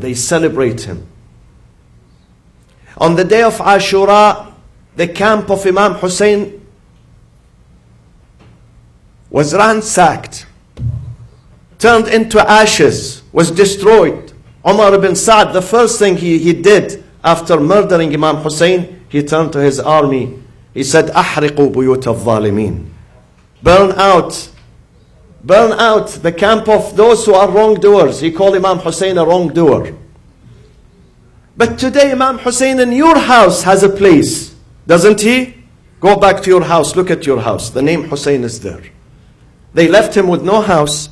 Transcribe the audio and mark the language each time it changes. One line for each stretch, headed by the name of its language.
English: They celebrate him. On the day of Ashura, the camp of Imam Hussein was ransacked, turned into ashes, was destroyed. Umar ibn Sa'd, the first thing he did after murdering Imam Hussein, he turned to his army. He said,
Arabic: أحرقوا بيوت الظالمين.
English: Burn out the camp of those who are wrongdoers. He called Imam Hussein a wrongdoer. But today Imam Hussein in your house has a place, doesn't he? Go back to your house, look at your house. The name Hussein is there. They left him with no house.